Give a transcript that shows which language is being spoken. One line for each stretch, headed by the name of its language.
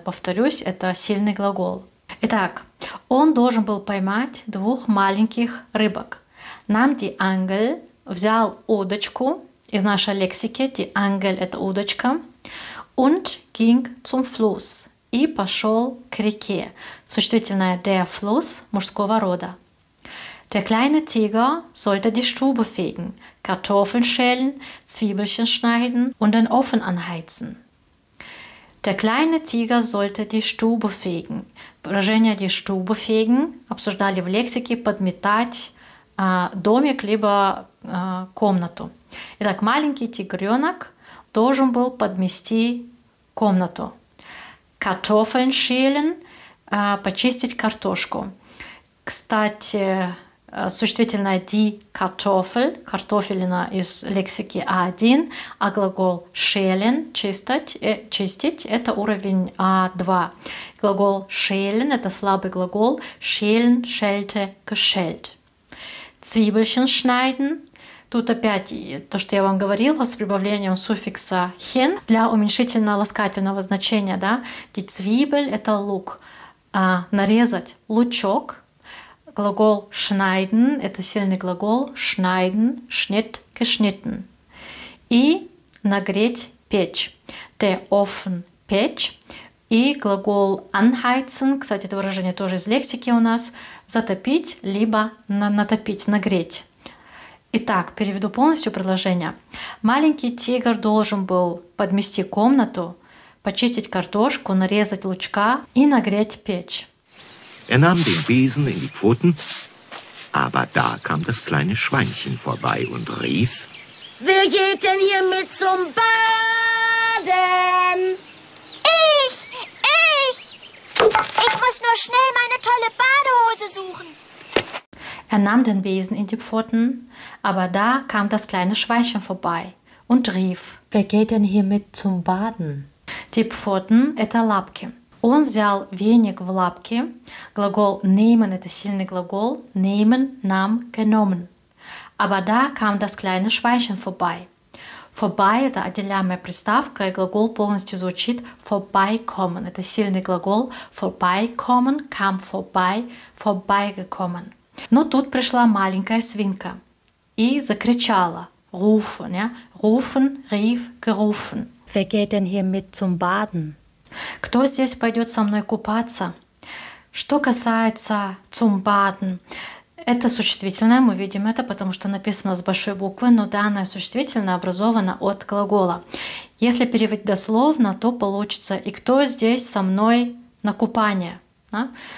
Russian: Повторюсь, это сильный глагол. Итак, он должен был поймать двух маленьких рыбок.
German: Nahm die Angel,
Russian: взял удочку из нашей лексики,
German: die Angel –
Russian: это удочка,
German: und ging zum Fluss.
Russian: И пошел к реке. Существительное der Fluss мужского рода.
German: Der kleine Tiger sollte die Stube fegen, Kartoffeln schälen, Zwiebelchen schneiden und den Ofen anheizen. Der kleine Tiger sollte die Stube fegen.
Russian: Выражение
German: die Stube fegen
Russian: обсуждали в лексике подметать домик либо комнату. Итак, маленький тигренок должен был подмести комнату.
German: Kartoffeln schälen,
Russian: почистить картошку. Кстати, существительное die Kartoffel, картофелина из лексики А1, а глагол schälen, чистить, это уровень А2. Глагол schälen, это слабый глагол,
German: schälen, schälte, geschält. Zwiebelchen schneiden.
Russian: Тут опять то, что я вам говорила, с прибавлением суффикса «хен» для уменьшительно-ласкательного значения, да? Die Zwiebel – это лук. А нарезать – лучок. Глагол «schneiden» – это сильный глагол.
German: «Schneiden» – «schnitt» – «geschnitten».
Russian: И нагреть – печь.
German: «Der Ofen» – печь.
Russian: И глагол «anheizen» – кстати, это выражение тоже из лексики у нас. «Затопить» либо «натопить», «нагреть». Итак, переведу полностью предложение. Маленький тигр должен был подмести комнату, почистить картошку, нарезать лучка и нагреть печь.
German: Er nahm den Besen in die Pfoten, aber da kam das kleine Schweinchen vorbei und rief: Wer geht denn hier mit zum Baden? Ich, ich! Ich muss nur schnell meine tolle Badehose suchen. Er nahm den Besen in die Pfoten, aber da kam das kleine Schweinchen vorbei und rief: Wer geht denn hier mit zum Baden?
Russian: Die Pfoten – это лапки. Он взял веник в лапки. Глагол nehmen – это сильный глагол.
German: Nehmen – нам, genommen. Aber da kam das kleine Schweinchen vorbei.
Russian: Vorbei – это отделяемая приставка, и глагол полностью звучит vorbeikommen. Это сильный глагол
German: vorbeikommen, kam vorbei, vorbeigekommen.
Russian: Но тут пришла маленькая свинка и закричала.
German: Rufen, ja? Rufen, rief, gerufen. Wer geht denn hier mit zum Baden?
Russian: Кто здесь пойдет со мной купаться? Что касается zum Baden, это существительное, мы видим это, потому что написано с большой буквы, но данное существительное образовано от глагола. Если переводить дословно, то получится «И кто здесь со мной на купание?» Да?